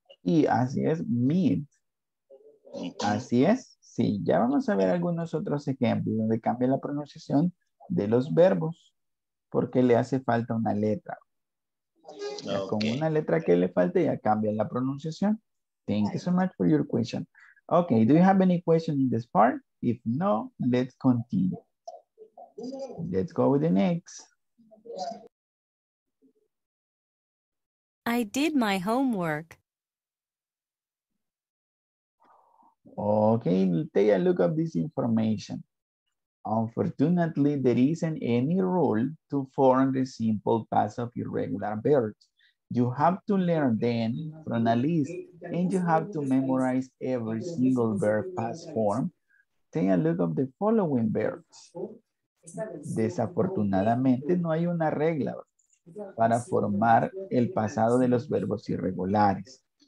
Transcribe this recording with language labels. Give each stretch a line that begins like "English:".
Spanish: Y así es, meet. Así es, sí, ya vamos a ver algunos otros ejemplos donde cambia la pronunciación de los verbos porque le hace falta una letra. Okay. Con una letra que le falte ya cambia la pronunciación.
English: Thank you so much for your question. Okay, do you have any question in this part? If no, let's continue. Let's go with the next. I did my homework. Okay, take a look at this information. Unfortunately, there isn't any rule to form the simple past of irregular verbs. You have to learn them from a list and you have to memorize every single verb past form. Take a look at the following verbs.
Spanish: Desafortunadamente, no hay una regla para formar el pasado de los verbos irregulares.